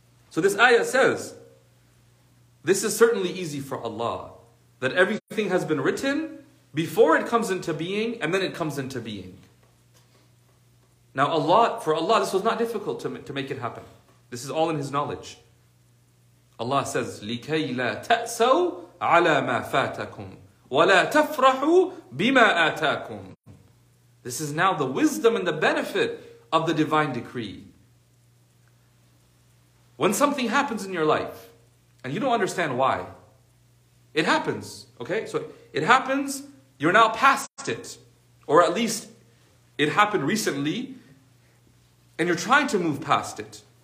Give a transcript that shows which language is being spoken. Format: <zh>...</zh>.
<en>So this ayah says, this is certainly easy for Allah, that everything has been written before it comes into being and then it comes into being. Now Allah, for Allah, this was not difficult to make it happen. This is all in His knowledge. Allah says,</en> <ar>لِكَيْ لَا تَأْسَوْا عَلَى مَا فَاتَكُمْ وَلَا تَفْرَحُوا بِمَا آتَاكُمْ.</ar> <en>This is now the wisdom and the benefit of the divine decree. When something happens in your life, and you don't understand why, it happens, okay? So it happens, you're now past it. Or at least, it happened recently, and you're trying to move past it.</en>